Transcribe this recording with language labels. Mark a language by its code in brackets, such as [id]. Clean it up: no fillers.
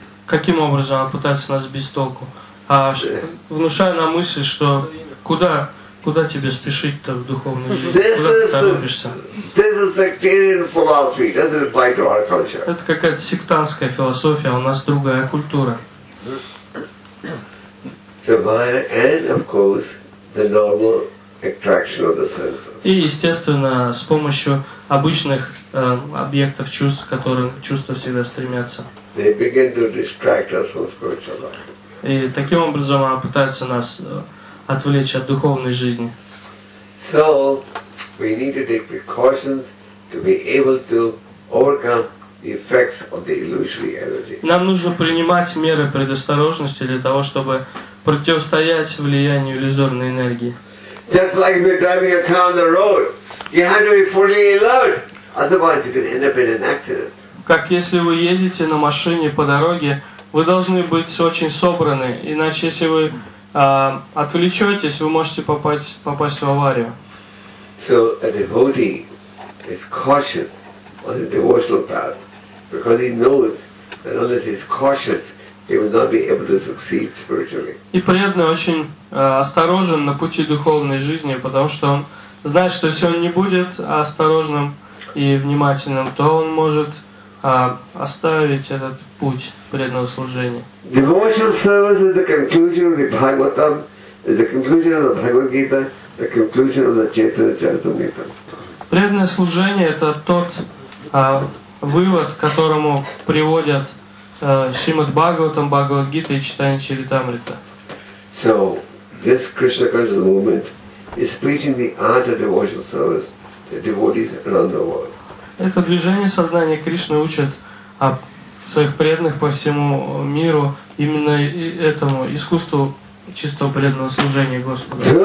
[ru] Каким образом она пытается нас сбить с толку? Внушая нам мысль, что куда тебе спешить-то в духовной жизни? [en] This [ru] куда ты торопишься? Это какая-то сектантская философия, у нас другая культура. [en] So Maya and, of course, the normal attraction of the senses. [ru] И, естественно, с помощью обычных объектов чувств, к которым чувства всегда стремятся. [en] They begin to distract us from spiritual life. [ru] И таким образом она пытается нас отвлечь от духовной жизни. [en] So, we need to take precautions to be able to overcome the effects of the illusory energy. [ru] Нам нужно принимать меры предосторожности для того, чтобы противостоять влиянию иллюзорной энергии. [en] Just like if you're driving a car on the road, you have to be fully alert, otherwise you can end up in an accident. [ru] Как если вы едете на машине по дороге, вы должны быть очень собраны, иначе если вы отвлечетесь, вы можете попасть в аварию. [en] So a devotee is cautious on the devotional path because he knows that unless he's cautious, he will not be able to succeed spiritually. [ru] И преданный очень осторожен на пути духовной жизни, потому что он знает, что если он не будет осторожным и внимательным, то он может оставить этот путь преданного служения. [en] Devotional service is the conclusion of the Bhagavatam, is the conclusion of the Bhagavad Gita, the conclusion of the Chaitanya Charitamrita. [ru] Преданное служение – это тот вывод, к которому приводят Шримад Бхагаватам, Бхагавад Гита и Чайтанья Чаритамрита. [en] So, this Krishna conscious movement is preaching the art of devotional service to devotees around the world. [ru] Это движение сознания Кришны учит своих преданных по всему миру именно этому искусству чистого преданного служения Господу.